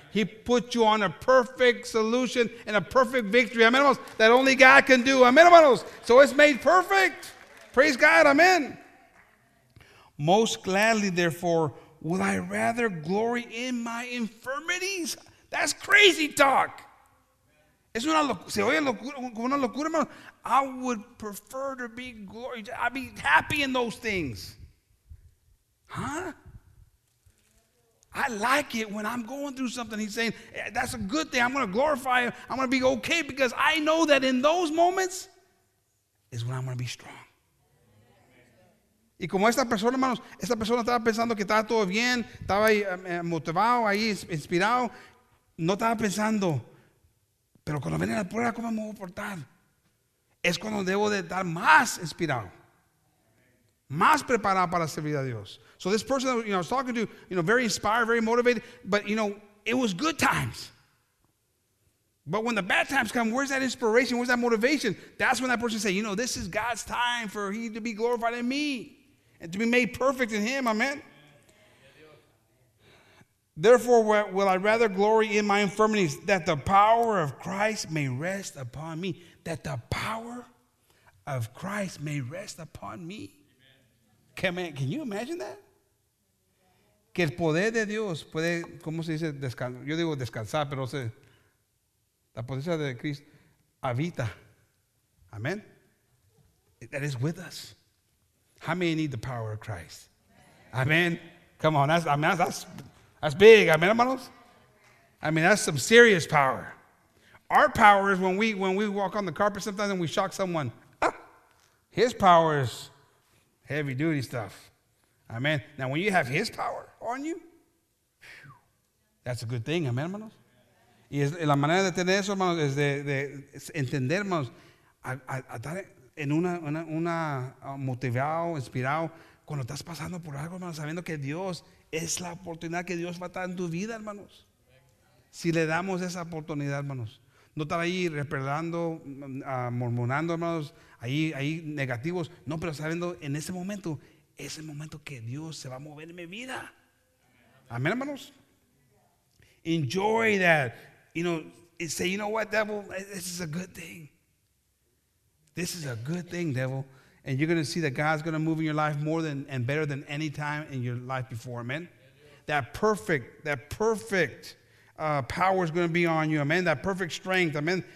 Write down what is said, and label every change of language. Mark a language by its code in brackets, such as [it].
[en] He put you on a perfect solution and a perfect victory. Amen, hermanos. That only God can do. Amen, hermanos. So it's made perfect. Praise God. Amen. Most gladly, therefore, would I rather glory in my infirmities. That's crazy talk. [es] Es una locura, se oye como una locura, hermano. [en] I would prefer to be glory. I'd be happy in those things. Huh? I like it when I'm going through something. He's saying, that's a good thing. I'm going to glorify him. I'm going to be okay because I know that in those moments is when I'm going to be strong. [es] Y como esta persona, hermanos, esta persona estaba pensando que estaba todo bien, estaba ahí motivado, ahí inspirado. No estaba pensando, pero cuando viene la prueba, ¿cómo me voy a portar? Es cuando debo de estar más inspirado, más preparado para servir a Dios. [en] So this person that, you know, I was talking to, you know, very inspired, very motivated, but, you know, it was good times. But when the bad times come, where's that inspiration? Where's that motivation? That's when that person say, you know, this is God's time for he to be glorified in me and to be made perfect in him. Amen. Therefore, will I rather glory in my infirmities that the power of Christ may rest upon me. That the power of Christ may rest upon me. Can you imagine that? [es] Que el poder de Dios puede, ¿cómo se dice? Descansar. Yo digo descansar, pero se, la potencia de Cristo habita. [en] Amen. That is with us. How many need the power of Christ? Amen. Come on, that's big. Amen, hermanos. I mean, that's some serious power. Our power is when we walk on the carpet sometimes and we shock someone. Ah! His power is heavy duty stuff. Amen. Now, when you have his power on you, that's a good thing. [es] Amen, hermanos. Y la manera de tener eso, hermanos, es de entender, hermanos, a estar en una motivado, inspirado, cuando estás pasando por algo, hermanos, sabiendo que Dios es la oportunidad que Dios va a estar en tu vida, hermanos. Si le damos esa oportunidad, hermanos, no estar ahí repelando, murmurando, hermanos, ahí negativos, no, pero sabiendo en ese momento, es el momento que Dios se va a mover en mi vida. Amén, hermanos. [en] Enjoy that. You know, and say, you know what, devil? This is a good thing. This is a good thing, devil. And you're going to see that God's going to move in your life more than and better than any time in your life before. Amen. Yeah, that perfect power is going to be on you. Amen. That perfect strength. Amen.